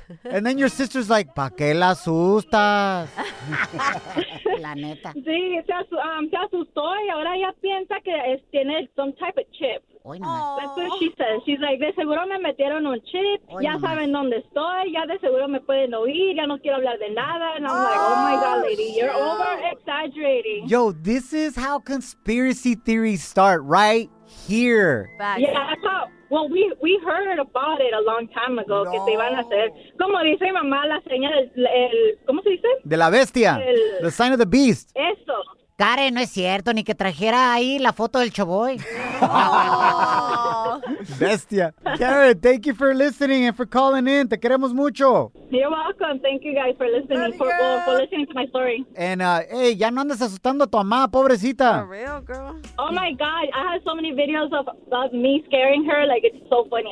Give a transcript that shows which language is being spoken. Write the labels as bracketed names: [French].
[English] And then your sister's like, [Spanish] ¿pa' qué la asustas? La neta. Sí, se asustó y ahora ya piensa que tiene [English] some type of chip. That's what she says. She's like, [Spanish] de seguro me metieron un chip. Hoy ya Saben dónde estoy. Ya de seguro me pueden oír. Ya no quiero hablar de nada. [English] And I'm like, oh my God, lady, you're over exaggerating. Yo, this is how conspiracy theories start, right here. Back. Yeah, that's how. Well, we heard about it a long time ago. [Spanish] No. Que se iban a hacer. Como dice mi mamá, la señal del. ¿Cómo se dice? De la bestia. [English] The sign of the beast. [Spanish] Eso. Karen, no es cierto, ni que trajera ahí la foto del Choboy. Bestia. [English] Karen, thank you for listening and for calling in. [Spanish] Te queremos mucho. [English] You're welcome. Thank you guys for listening, for listening to my story. [Spanish] And, hey, ya no andes asustando a tu mamá, pobrecita. [English] For real, girl. Oh, my God. I have so many videos of me scaring her. Like, it's so funny.